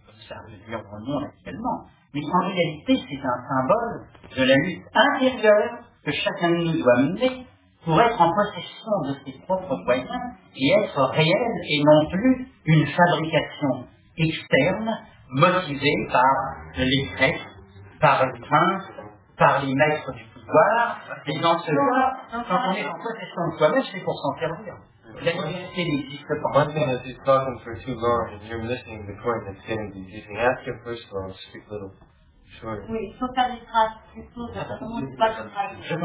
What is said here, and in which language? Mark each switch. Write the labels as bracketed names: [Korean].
[French] Ça veut dire le monde actuellement. Mais en réalité, c'est un symbole de la lutte intérieure que chacun de nous doit mener pour être en possession de ses propres moyens et être réel et non plus une fabrication externe motivée par les prêtres, par les princes, par les maîtres du pouvoir. Et dans ce cas-là, quand on est en possession de soi-même, c'est pour s'en servir. [English] One thing is, he's talking for too long, and you're missing the point that's getting to you. You ask him first of all, speak a little shorter. [French] Oui, faut faire des phrases plus courtes, parce qu'on ne peut pas comprendre.